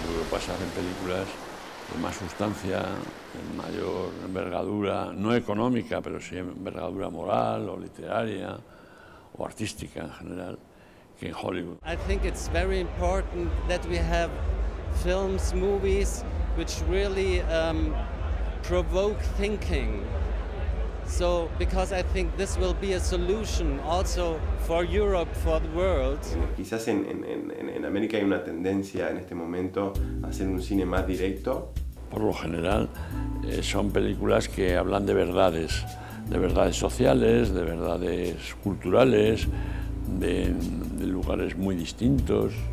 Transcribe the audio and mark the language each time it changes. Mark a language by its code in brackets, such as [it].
[es] Pasar en películas de más sustancia, de mayor envergadura, no económica, pero sí envergadura moral o literaria o artística en general, que en Hollywood. [en] I think it's very important that we have films, movies which really provoke thinking. So because I think this will be a solution also for Europe, for the world. [es] Quizás en América hay una tendencia en este momento a hacer un cine más directo. Por lo general son películas que hablan de verdades sociales, de verdades culturales, de lugares muy distintos.